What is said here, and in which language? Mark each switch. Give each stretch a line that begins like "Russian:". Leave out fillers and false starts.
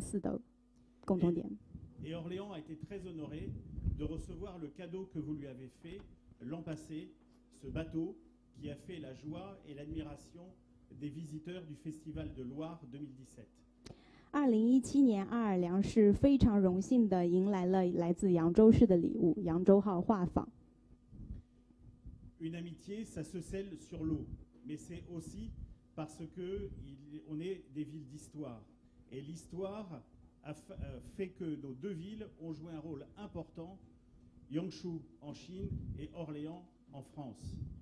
Chinese: 扬州是有非常广丰硕的水资源，奥尔良市也是紧邻卢瓦尔河，所以两座城市在水紧邻河流这一方面就有着非常相似的共同点。
French: Et Orléans a été très honoré de recevoir le cadeau que vous lui avez fait l'an passé, ce bateau qui a fait la joie et l'admiration des visiteurs du Festival de Loire 2017.
Chinese: 2017年，奥尔良市非常荣幸地迎来了来自扬州市的礼物——扬州号画舫。
French: Une amitié, ça se scelle sur l'eau, mais c'est aussi parce que on est des villes d'histoire, et l'histoire a fait que nos deux villes ont joué un rôle important, Yangshu en Chine et Orléans en France.